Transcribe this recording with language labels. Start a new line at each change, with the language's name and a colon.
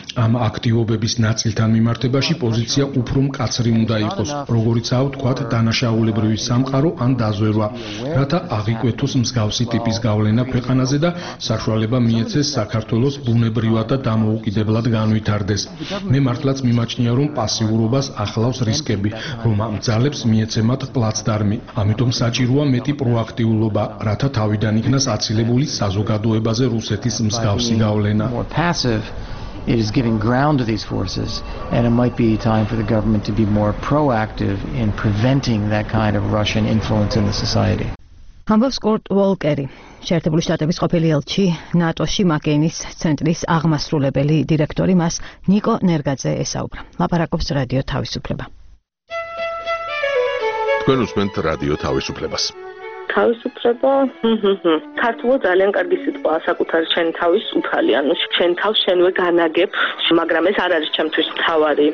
Georgian: ამ აქტივობების ნაწილთან მიმართებაში პოზიცია უფრო მკაცრი უნდა იყოს, როგორიცაა ვთქვათ, დანაშაულებრივი სამყარო ან დაზვერვა, რათა აღიკვეთოს მსგავსი ტიპის გავლენა ქვეყანაზე და საშუალება მიეცეს საქართველოს ბუნებრივად და დამოუკიდებლად განვითარდეს. მე მართლაც მიმაჩნია, რომ პასიურობას ახლავს რისკები, რომ ამ ძალებს მიეცემათ პლაცდარმი. ამიტომ საჭიროა მეტი პროაქტიულობა, რათა თავიდან იქნას აცილებული საზოგადოებაზე რუსეთის მსგავსი გავლენა.
English: It is giving ground to these forces, and it might be time for the government to be more proactive in preventing that kind of Russian influence in the society.
Georgian: ამბობს კორტ უოლკერი, შეერთებული შტატების ყოფილი ელჩი, ნატოში მაკეინის ცენტრის აღმასრულებელი დირექტორი, მას ნიკო ნერგაძე ესაუბრა. ლაპარაკობს რადიო თავისუფლება. თქვენ უსმენთ რადიო თავისუფლებას. თავისუფლება, ქართულო ძალიან კარგი სიტყვაა საკუთარ შენ თავის უფალი, ანუ შენ თავს შენვე განაგებ, მაგრამ ეს არ არის ჩემთვის თავარი.